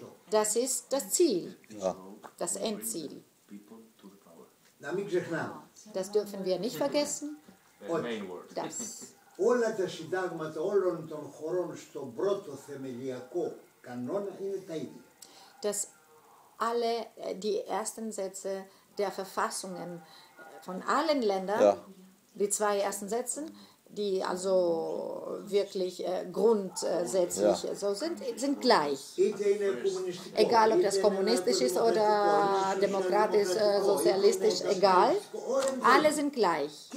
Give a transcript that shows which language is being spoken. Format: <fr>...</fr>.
<de>Das ist das Ziel, das Endziel. Das dürfen wir nicht vergessen.</de> <el>Όλα τα συντάγματα όλων των χωρών στον πρώτο θεμελιακό κανόνα είναι τα ίδια.</el> <de>Dass alle die ersten Sätze der Verfassungen von allen Ländern, die zwei ersten Sätze, die also wirklich grundsätzlich so sind gleich. Egal, ob das kommunistisch ist oder demokratisch, sozialistisch, egal. Alle sind gleich.</de>